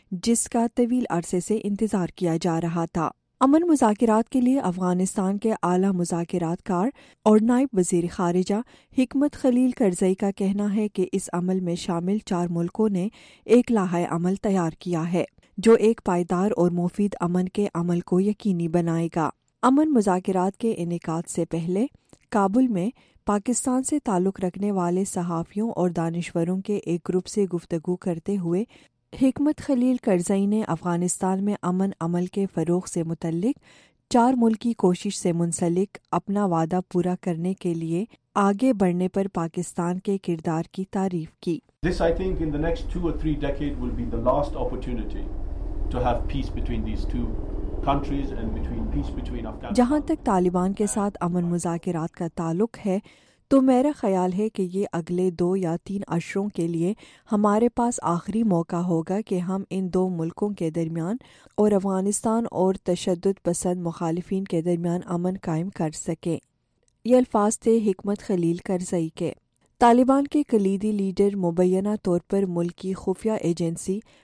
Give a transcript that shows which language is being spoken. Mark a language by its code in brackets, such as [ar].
[ur] جس کا طویل عرصے سے انتظار کیا جا رہا تھا۔ امن مذاکرات کے لیے افغانستان کے اعلی مذاکرات کار اور نائب وزیر خارجہ حکمت خلیل کرزئی کا کہنا ہے کہ اس عمل میں شامل 4 ملکوں نے ایک لائحہ عمل تیار کیا ہے جو ایک پائیدار اور مفید امن کے عمل کو یقینی بنائے گا۔ امن مذاکرات کے انعقاد سے پہلے کابل میں پاکستان سے تعلق رکھنے والے صحافیوں اور دانشوروں کے ایک گروپ سے گفتگو کرتے ہوئے حکمت خلیل کرزئی نے افغانستان میں امن عمل کے فروغ سے متعلق 4 ملکی کوشش سے منسلک اپنا وعدہ پورا کرنے کے لیے آگے بڑھنے پر پاکستان کے کردار کی تعریف کی۔ [en] This I think in the next 2 or 3 decades will be the last opportunity to have peace between these two countries and between peace between Afghanistan۔ [ur] جہاں تک طالبان کے ساتھ امن مذاکرات کا تعلق ہے تو میرا خیال ہے کہ یہ اگلے 2 یا 3 عشروں کے لیے ہمارے پاس آخری موقع ہوگا کہ ہم ان 2 ملکوں کے درمیان اور افغانستان اور تشدد پسند مخالفین کے درمیان امن قائم کر سکیں۔ یہ الفاظ تھے حکمت خلیل کرزئی کے۔ طالبان کے کلیدی لیڈر مبینہ طور پر ملک کی خفیہ ایجنسی